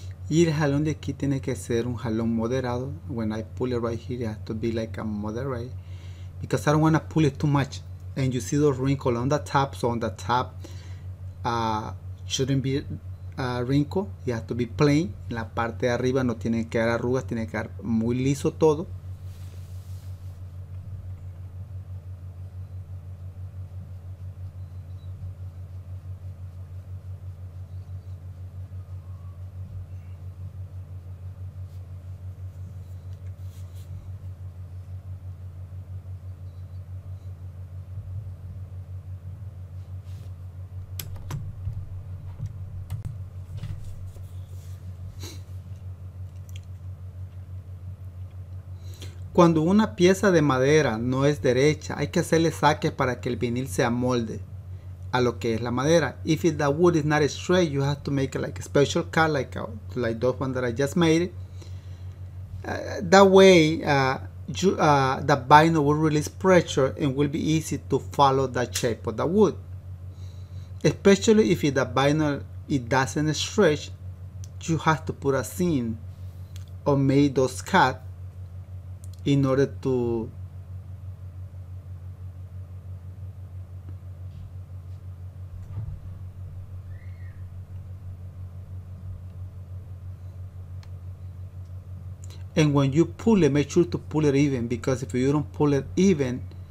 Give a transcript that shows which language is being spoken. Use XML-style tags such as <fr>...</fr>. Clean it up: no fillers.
<es>Y el jalón de aquí tiene que ser un jalón moderado.</es> <en>When I pull it right here, it has to be like a moderate, because I don't want to pull it too much. And you see those wrinkles on the top, so on the top shouldn't be wrinkle, it has to be plain.</en> <es>En la parte de arriba no tiene que quedar arrugas, tiene que quedar muy liso todo. Cuando una pieza de madera no es derecha, hay que hacerle saques para que el vinil se amolde a lo que es la madera.</es> <en>If it, the wood is not straight, you have to make like a special cut, like those ones that I just made. That way, the vinyl will release pressure and will be easy to follow the shape of the wood. Especially if it, the vinyl it doesn't stretch, you have to put a seam or make those cuts in order to and when you pull it, make sure to pull it even, because if you don't pull it even,</en>